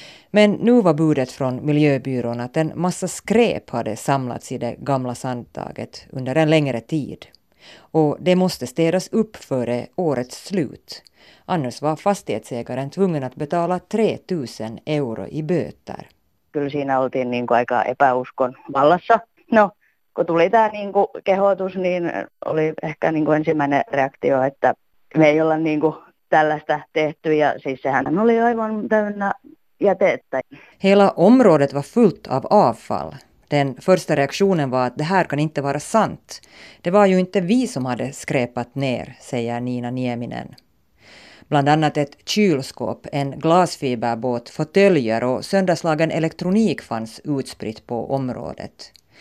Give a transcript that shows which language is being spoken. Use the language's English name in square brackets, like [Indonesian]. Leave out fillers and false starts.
[Swedish] Men nu var budet från miljöbyrån att en massa skräp hade samlats i det gamla sandtaget under en längre tid. Och det måste städas upp före årets slut. Annars var fastighetsägaren tvungen att betala 3000 euro i böter. [Finnish] Kyllä siinä oltiin niin kuin aika epäuskon vallassa. No, kun tuli tämä niin kuin kehotus, niin oli ehkä niin kuin ensimmäinen reaktio, että me ei olla niin kuin tällaista tehty. Ja siis sehän oli aivan täynnä jätettä. [Swedish] Hela området var fullt av avfall. Den första reaktionen var att det här kan inte vara sant. Det var ju inte vi som hade skräpat ner, säger Nina Nieminen. Bland annat ett kylskåp, en glasfiberbåt, fåtöljer och söndagslagen elektronik fanns utspritt på området.